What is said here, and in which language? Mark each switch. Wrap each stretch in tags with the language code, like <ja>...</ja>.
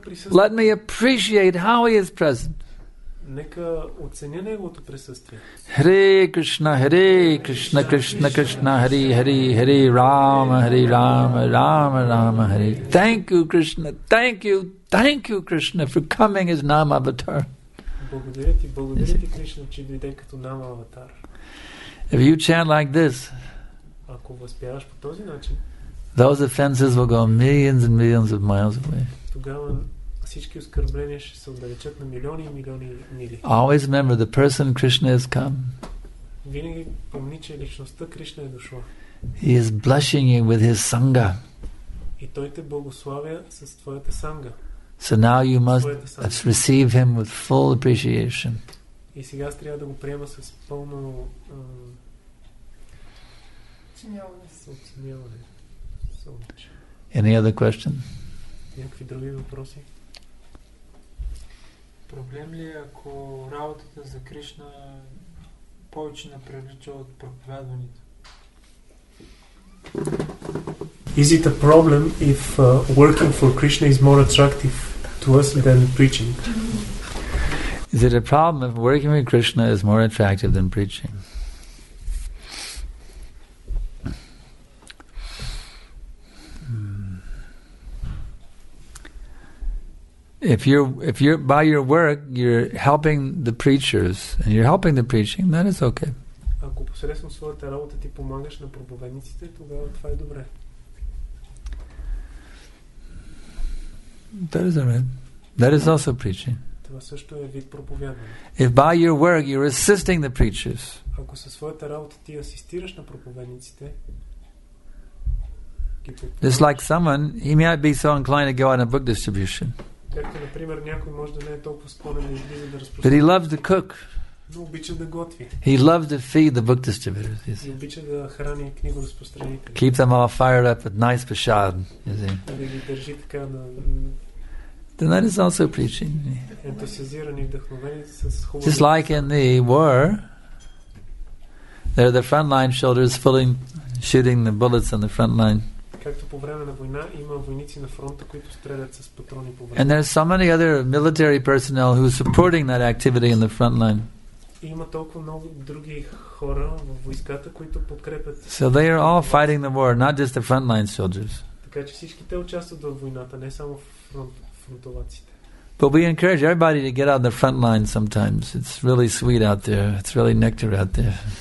<en>Let me appreciate how he is present.</en> <bg>Нека оценя неговото присъствие.</bg> <sa>Hare Krishna, Hare Krishna, Krishna Krishna, Hare Hare, Hare Rama, Hare Rama, Rama Rama, Hare.</sa> <en>Thank you Krishna, thank you Krishna for coming as Nam Avatar.</en> <bg>Благодаря ти, благодаря ти Кришна, че дойде като Нам Аватар.</bg> <en>If you chant like this,</en> <bg>ако възпяваш по този начин,</bg> <en>those offenses will go millions and millions of miles away.</en> <bg>Тогава всички оскърбления ще се отдалечат на милиони и милиони мили.</bg> <en>Always remember the person Krishna has come.</en> <bg>Винаги помни, че личността Кришна е дошла.</bg> <en>He is blushing you with his sangha.</en> <bg>И той те благославя с твоята санга.</bg> <en>So now you must receive him with full appreciation.</en> <bg>И сега трябва да го приема с пълно оценяване.</bg> <en>Any other question?</en> <bg>Някакви други въпроси? Проблем ли е, ако работата за Кришна повече наприлича от проповядването?</bg> <en>Is it a problem if working for Krishna is more attractive to us than preaching? Is it a problem if working with Krishna is more attractive than preaching? If you're by your work, you're helping the preachers and you're helping the preaching, that is okay.</en> <bg>Ако посредством своята работа ти помагаш на проповедниците, тогава това е добре.</bg> <en>That is alright. That is also preaching.</en> <bg>Това също е вид проповядване.</bg> <en>If by your work you're assisting the preachers.</en> <bg>Ако със своята работа ти асистираш на проповедниците,</bg> <en>just like someone, he might be so inclined to go on a book distribution.</en> <bg>Както, например, някой може да не е толкова склонен да излиза да разпространява.</bg> <en>But he loves to cook.</en> <bg>Но обича да готви.</bg> <en>He loves to feed the book distributors.</en> <bg>И обича да храни книгоразпространителите.</bg> <en>Keep them all fired up with nice prasad.</en> <bg>Да ги държи така на...</bg> <en>Then that is also preaching.</en> <bg>Ентусиазирани, вдъхновени с хубави.</bg> <en>Just like in the war, there are the front line soldiers filling, shooting the bullets on the front line.</en> <bg>Както по време на война има войници на фронта, които стрелят с патрони по време.</bg> <en>And there are so many other military personnel who are supporting that activity in the front line.</en> <bg>И има толкова много други хора в войската, които подкрепят.</bg> <en>So they are all fighting the war, not just the front line soldiers.</en> <bg>Така че всички те участват в войната, не само фронтоваците.</bg> <en>But we encourage everybody to get out on the front line sometimes. It's really sweet out there. It's really nectar out there.</en>